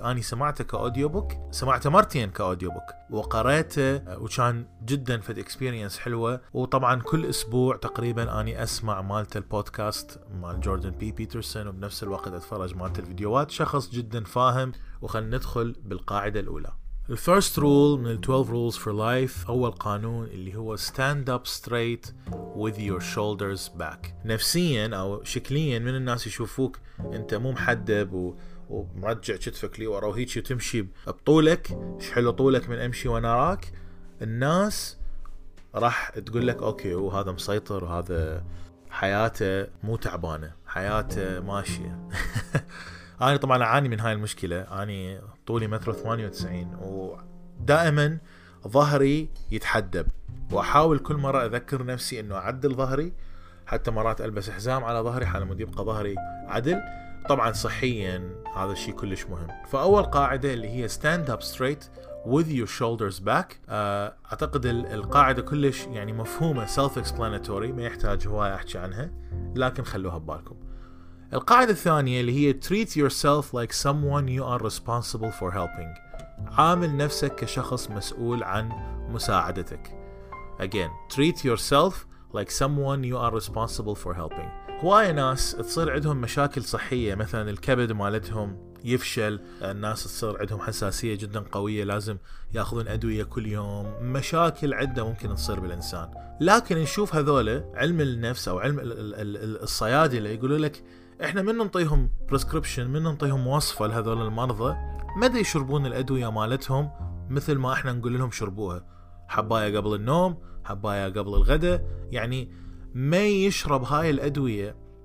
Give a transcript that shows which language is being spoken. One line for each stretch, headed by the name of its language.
Arabic: اني سمعته كاوديو بوك، سمعته مرتين كاوديو بوك وقراته، وكان جدا فد اكسبيرينس حلوة. وطبعا كل اسبوع تقريبا اني اسمع مالت البودكاست مال جوردن بي بيترسون، وبنفس الوقت اتفرج مالت الفيديوهات. شخص جدا فاهم. وخلنا ندخل بالقاعدة الاولى.
English: The first rule من 12 rules for life،
Arabic: اول قانون اللي هو
English: stand up straight with your shoulders back.
Arabic: نفسيا او شكليا من الناس يشوفوك انت مو محدب ومرجع كتفك لي ورا وهيك وتمشي بطولك، ايش حلو طولك من امشي وانا راك، الناس راح تقول لك اوكي وهذا مسيطر وهذا حياته مو تعبانه، حياته ماشيه. أنا طبعا أعاني من هاي المشكلة. أنا طولي 1.98 ودائما ظهري يتحدب، وأحاول كل مرة أذكر نفسي أنه أعدل ظهري، حتى مرات ألبس حزام على ظهري حالما يبقى ظهري عدل. طبعا صحيا هذا الشيء كلش مهم. فأول قاعدة اللي هي
English: stand up straight with your shoulders back،
Arabic: أعتقد القاعدة كلش يعني مفهومة self-explanatory، ما يحتاج هواي أحكي عنها، لكن خلوها ببالكم. القاعدة الثانية اللي هي
English: treat yourself like someone you are responsible for helping،
Arabic: عامل نفسك كشخص مسؤول عن مساعدتك.
English: Again, treat yourself like someone you are responsible for helping.
Arabic: هواي ناس تصير عندهم مشاكل صحية، مثلا الكبد مالتهم يفشل، الناس تصير عندهم حساسية جدا قوية لازم ياخذون أدوية كل يوم، مشاكل عدة ممكن تصير بالإنسان. لكن نشوف هذول علم النفس أو علم الصيادلة يقولوا لك احنا من نعطيهم بريسكريبشن، من نعطيهم وصفه لهذول المرضى، مدى يشربون الادويه مالتهم مثل ما احنا نقول لهم شربوها، حبايه قبل النوم، حبايه قبل الغداء، يعني ما يشرب هاي الادويه